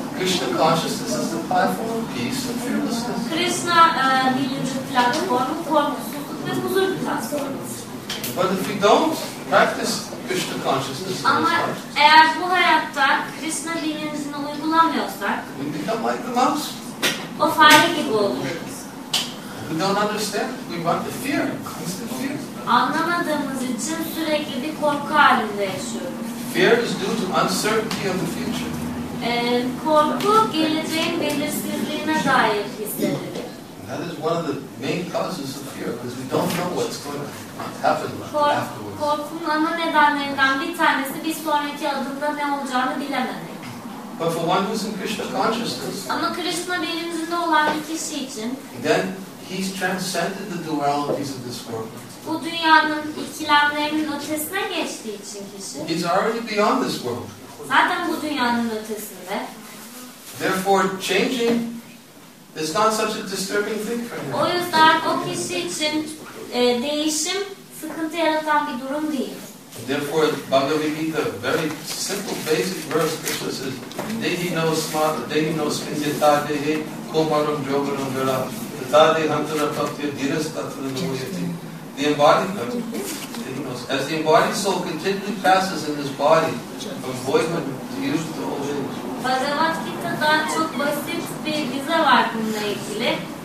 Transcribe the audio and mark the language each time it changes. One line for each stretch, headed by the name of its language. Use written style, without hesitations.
English: Krishna consciousness is the platform of peace and fearlessness.
Turkish: Krishna bilinci platformu, korkusuzluk ve huzur platformu.
English: But if you don't practice Krishna consciousness,
Turkish: ama eğer bu hayatta Krishna bilincini uygulamıyorsak,
English: we become like the mouse.
Turkish: O fare gibi oluruz.
English: We don't understand. We want the fear. Constant fear.
Turkish: Anlamadığımız için sürekli bir korku halinde yaşıyoruz.
English: Fear is due to uncertainty of the future.
Turkish: Korku geleceğin belirsizliğine dair hissedilir.
English: And that is one of the main causes of fear, because we don't know what's going to happen afterwards.
Turkish: Korkunun ana nedenlerinden bir tanesi bir sonraki adımda ne olacağını bilememek.
English: But for one who's in Krishna consciousness.
Turkish: Ama Krishna bilincinde olan bir kişi için.
English: Then he's transcended the dualities of this world.
Turkish: Bu dünyanın ikilemlerinin ötesine geçtiği için kişi.
English: He's already beyond this world.
Turkish: Zaten bu dünyanın ötesinde.
English: Therefore, changing is not such a disturbing thing for him.
Turkish: O yüzden o kişi için değişim sıkıntı yaratan bir durum değil.
English: Therefore, Bhagavad Gita, very simple, basic verse, Krishna says,
Sanskrit: "Dehi no smat, dehi no spindita, dehi komaram jogaram jara, tadhi hantara paktya dhiras tatra namoyati."
English: The embodiment, as the embodied soul continually passes in this body from boyhood to youth to old age.
Turkish: Bhagavad Gita'da çok basit bir dize var bununla ilgili.